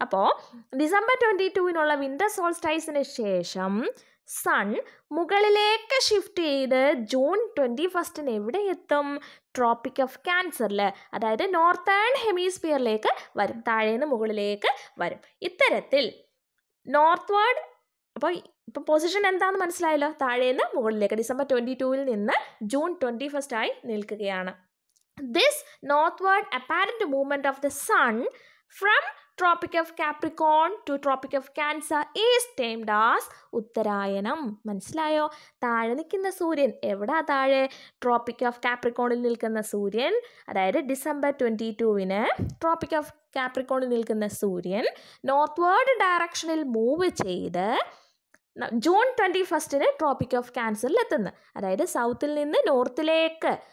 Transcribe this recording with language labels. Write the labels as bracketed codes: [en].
[ml] അപ്പോൾ December 22 winter സോൾസ്റ്റൈസിന് ശേഷം sun മുകളിലേക്ക് ഷിഫ്റ്റ് ചെയ്ത് June 21st എവിടെ എത്തും, ട്രോപ്പിക് ഓഫ് ക്യാൻസറിൽ, അതായത് നോർത്തേൺ ഹെമിസ്ഫിയറിലേക്ക് വരും, താഴെ നിന്ന് മുകളിലേക്ക് വരും. ഇത്തരത്തിൽ നോർത്ത്വേർഡ്, അപ്പോൾ ഇപ്പോൾ പൊസിഷൻ എന്താണെന്ന് മനസ്സിലായല്ലോ, താഴെ നിന്ന് മുകളിലേക്ക്, December 22 നിന്ന് June 21st ആയി നിൽക്കുകയാണ്. [en] This northward apparent movement of the sun from Tropic of Capricorn to Tropic of Cancer is termed as Uttarayanam. [ml] മനസ്സിലായോ, താഴെ നിൽക്കുന്ന സൂര്യൻ എവിടാ, താഴെ ട്രോപ്പിക് ഓഫ് കാപ്രിക്കോണിൽ നിൽക്കുന്ന സൂര്യൻ, അതായത് December 22 ട്രോപ്പിക് ഓഫ് കാപ്രിക്കോണിൽ നിൽക്കുന്ന സൂര്യൻ നോർത്ത്വേർഡ് ഡയറക്ഷനിൽ മൂവ് ചെയ്ത് June 21 ട്രോപ്പിക് ഓഫ് ക്യാൻസറിൽ എത്തുന്നു, അതായത് സൗത്തിൽ നിന്ന് നോർത്തിലേക്ക്.